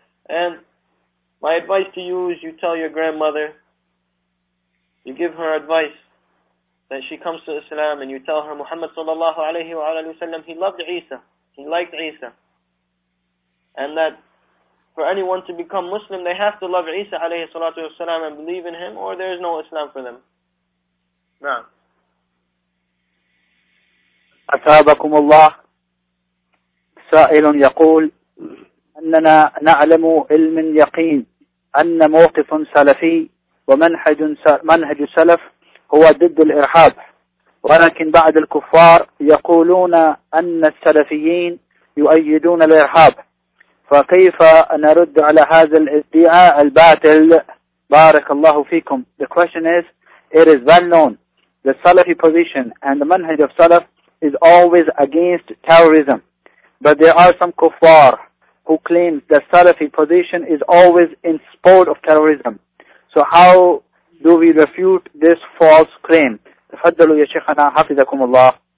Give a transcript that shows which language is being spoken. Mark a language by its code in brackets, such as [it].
[en] And my advice to you is you tell your grandmother, you give her advice, that she comes to Islam and you tell her Muhammad sallallahu alayhi wa alayhi wa sallam, he loved Isa, he liked Isa. And that for anyone to become Muslim, they have to love Isa alayhi salatu wa sallam and believe in him, or there is no Islam for them. Now. [ar] أثابكم الله سائل يقول أننا نعلم علم يقين أن موقف سلفي ومنهج سلف هو ضد الإرهاب، ولكن بعض الكفار يقولون أن السلفيين يؤيدون الإرهاب، فكيف نرد على هذا الادعاء الباطل؟ بارك الله فيكم. [en] The question is, it is well known the Salafi position and the manhaj of Salaf is always against terrorism, but there are some kuffar who claim the Salafi position is always in support of terrorism. So how do we refute this false claim? [ar] تفضلوا يا شيخنا حفظكم الله.